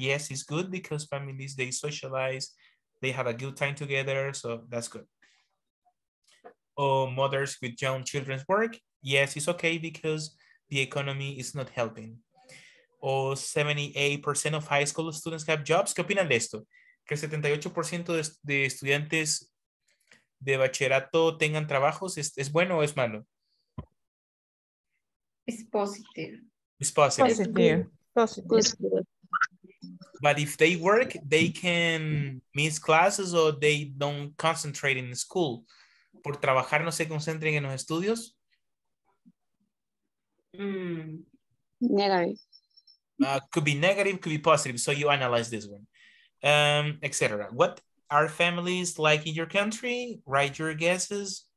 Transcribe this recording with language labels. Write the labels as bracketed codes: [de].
[en] Yes, it's good because families, they socialize, they have a good time together, so that's good. Oh, mothers with young children's work. Yes, it's okay because the economy is not helping. Oh, 78% of high school students have jobs. [es] ¿Qué opinan de esto? Que 78% de estudiantes de bachillerato tengan trabajos, ¿es bueno o es malo? [en] It's positive. It's positive. Positive. But if they work, they can miss classes or they don't concentrate in school. [es] ¿Por trabajar no se concentren en los estudios? [en] Negative. Could be negative, could be positive. So you analyze this one, etc. What are families like in your country? Write your guesses.